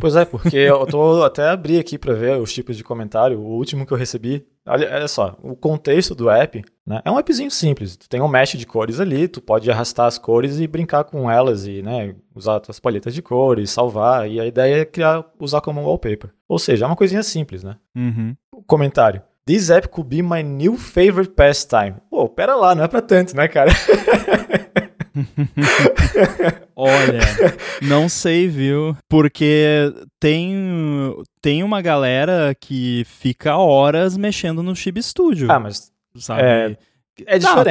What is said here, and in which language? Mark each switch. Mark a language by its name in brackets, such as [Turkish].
[Portuguese] Pois é, porque eu tô até abri aqui pra ver os tipos de comentário, o último que eu recebi. Olha só, o contexto do app, né, é um appzinho simples. Tu tem um mesh de cores ali, tu pode arrastar as cores e brincar com elas e, né, usar as tuas paletas de cores, salvar, e a ideia é usar como wallpaper. Ou seja, é uma coisinha simples, né? Uhum. Comentário. [English] This app could be my new favorite pastime. [Portuguese] Pô, pera lá, não é pra tanto, né, cara? Olha, não sei, viu? Porque tem uma galera que fica horas mexendo no Chib Studio. Ah, mas... sabe? É diferente,